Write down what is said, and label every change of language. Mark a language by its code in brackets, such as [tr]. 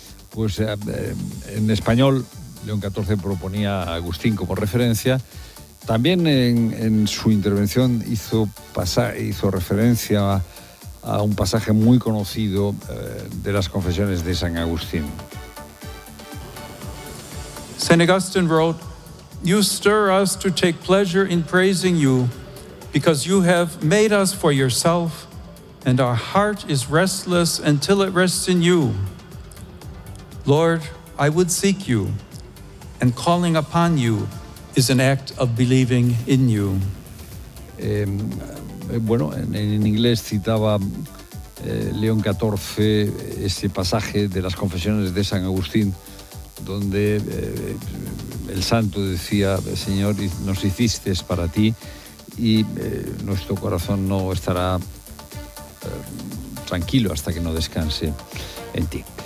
[es] Pues en español, León XIV proponía a Agustín como referencia. También en su intervención hizo referencia a un pasaje muy conocido de las Confesiones de San Agustín. [en] St. Augustine wrote, "You stir us to take pleasure in praising you because you have made us for yourself and our heart is restless until it rests in you. Lord, I would seek you and calling upon you is an act of believing in you." [es] Bueno, en inglés citaba León XIV ese pasaje de las Confesiones de San Agustín, donde el santo decía: Señor, nos hiciste para ti y nuestro corazón no estará tranquilo hasta que no descanse en ti.